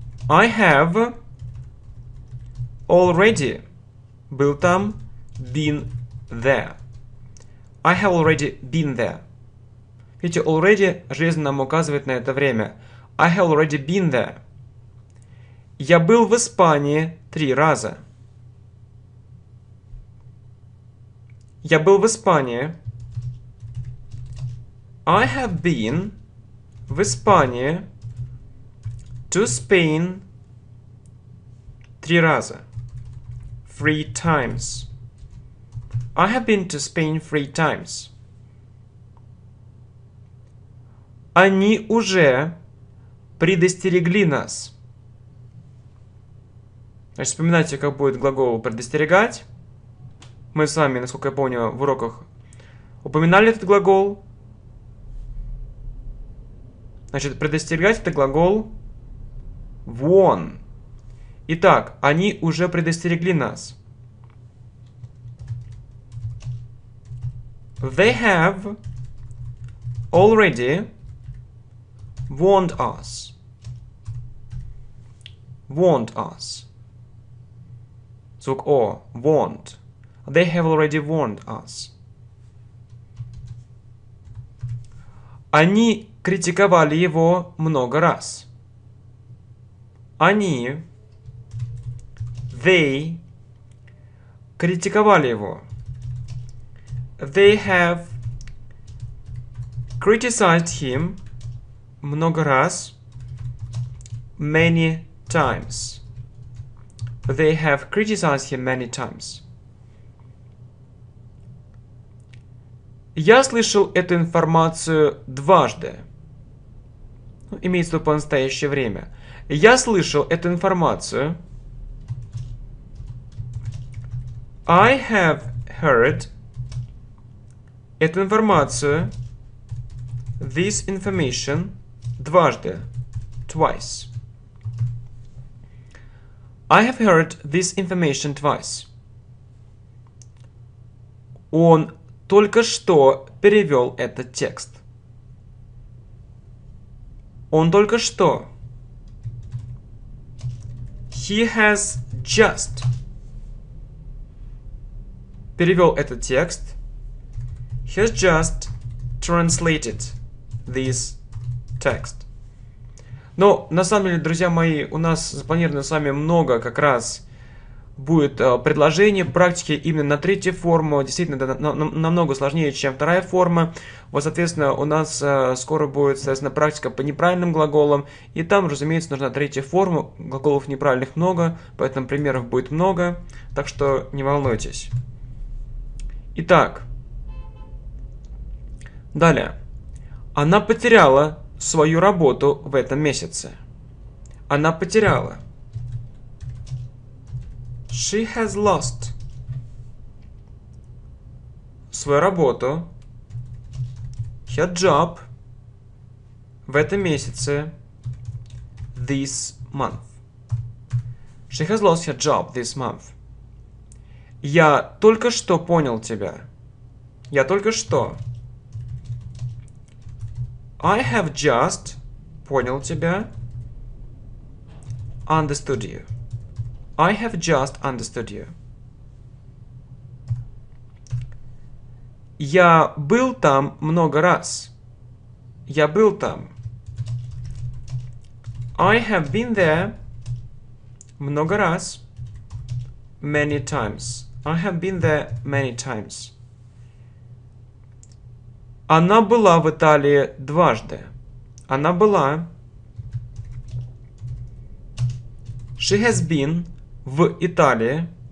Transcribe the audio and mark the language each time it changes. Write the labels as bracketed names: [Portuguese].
[English] I have already [Russian] был там, [English] been there. I have already been there. [Russian] Видите, already жизненно нам указывает на это время. [English] I have already been there. [Russian] Я был в Испании 3 раза. Я был в Испании. [English] I have been [Russian] в Испании [English] to Spain [Russian] 3 раза. [English] 3 times. I have been to Spain 3 times. [Russian] Они уже предостерегли нас. Значит, вспоминайте, как будет глагол предостерегать. Мы с вами, насколько я помню, в уроках упоминали этот глагол. Значит, предостерегать — это глагол warn. Итак, они уже предостерегли нас. [English] They have already warned us. Warned us. [Russian] Звук О. [English] Warned. They have already warned us. [Russian] Они критиковали его много раз. Они. [English] They [Russian] критиковали его. [English] They have criticized him [Russian] много раз. [English] Many times. They have criticized him many times. [Russian] Я слышал эту информацию 2 раза. Ну, имеется в виду по настоящее время. Я слышал эту информацию. [English] I have heard [Russian] эту информацию, [English] this information, [Russian] 2 раза, [English] twice. I have heard this information twice. [Russian] Он только что перевел этот текст. Он только что. [English] He has just [Russian] перевел этот текст. [English] He has just translated this text. [Russian] Но, на самом деле, друзья мои, у нас запланировано с вами много как раз будет предложений, практики именно на третью форму. Действительно, это намного сложнее, чем вторая форма. Вот, соответственно, у нас скоро будет, соответственно, практика по неправильным глаголам. И там, разумеется, нужна третья форма. Глаголов неправильных много, поэтому примеров будет много. Так что не волнуйтесь. Итак. Далее. Она потеряла свою работу в этом месяце. Она потеряла. [English] She has lost [Russian] свою работу. [English] Her job [Russian] в этом месяце. [English] This month. She has lost her job this month. [Russian] Я только что понял тебя. Я только что. [English] I have just [Russian] понял тебя. [English] Understood you. I have just understood you. [Russian] Я был там много раз. Я был там. [English] I have been there [Russian] много раз. [English] Many times. I have been there many times. [Russian] Она была в Италии дважды. Она была. [English] She has been [Russian] в Италии.